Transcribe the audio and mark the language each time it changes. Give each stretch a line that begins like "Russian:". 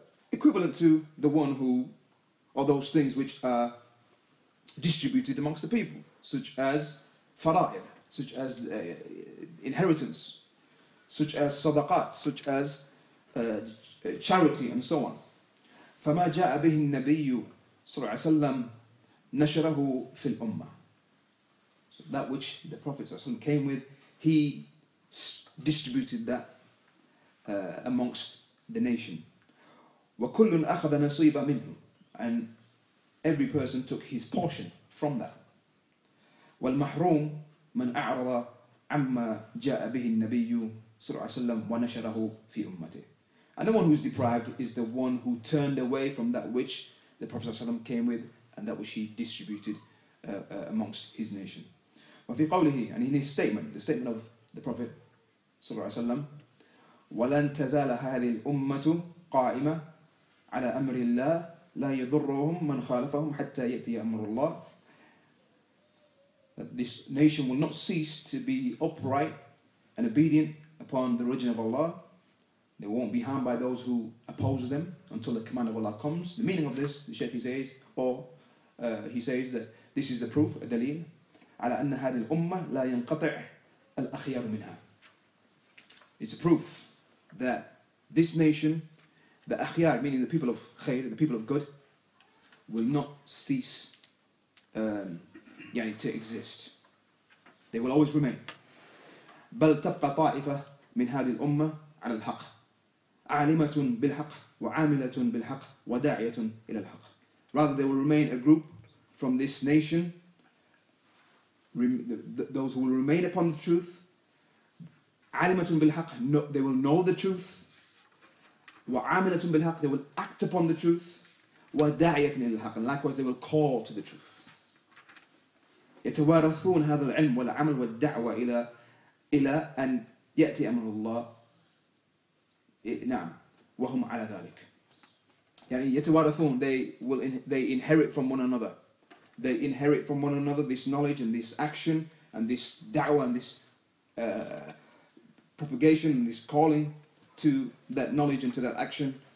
English: Equivalent to the one who, or those things which are distributed amongst the people, such as فرائض, such as inheritance, such as صدقات, such as charity, and so on.
Arabic: فما جاء به النبي صلى الله عليه وسلم نشره في الأمة.
English: So that which the Prophet صلى الله عليه وسلم came with, he distributed that amongst the nation.
Arabic: وَكُلٌ أَخَذَ نَصِيبَ مِنْهُ
English: And every person took his portion from that.
Arabic: وَالْمَحْرُومُ مَنْ أَعْرَضَ عَمَّا جَاءَ بِهِ النَّبِيُّ صلى الله عليه وسلم وَنَشَرَهُ فِي أُمَّتِهِ
English: And the one who is deprived is the one who turned away from that which the Prophet ﷺ came with and that which he distributed amongst his nation.
Arabic: وَفِي قَوْلِهِ
English: And in his statement, the statement of the Prophet
Arabic: صلى الله عليه وسلم ولن تزال هذه الأمة قائمة على أمر الله لا يضرهم من خالفهم حتى يأتي أمر الله.
English: That this nation will not cease to be upright and obedient upon the religion of Allah. They won't be harmed by those who oppose them until the command of Allah comes. The meaning of this, the Shaykh says, he says that this is the proof, a dalil,
Arabic: على أن هذه الأمة لا ينقطع الأخيار منها.
English: It's a proof that this nation, the akhyar, meaning the people of khair, the people of good, will not cease يعني, to exist. They will always remain.
Arabic: بل تبقى طائفة من هذه الأمة على الحق. عالمة بالحق وعاملة بالحق وداعية إلى الحق.
English: Rather, they will remain a group from this nation, those who will remain upon the truth.
Arabic: عالمة بالحق,
English: they will know the truth.
Arabic: وعاملة بالحق,
English: they will act upon the truth.
Arabic: وداعية إلى الحق,
English: and likewise they will call to the truth.
Arabic: يتوارثون هذا العلم والعمل والدعوة إلى أن يأتي أمر الله. نعم وهم على ذلك. يعني يتوارثون,
English: they inherit from one another. They inherit from one another this knowledge and this action and this da'wah and this propagation and this calling to that knowledge and to that action.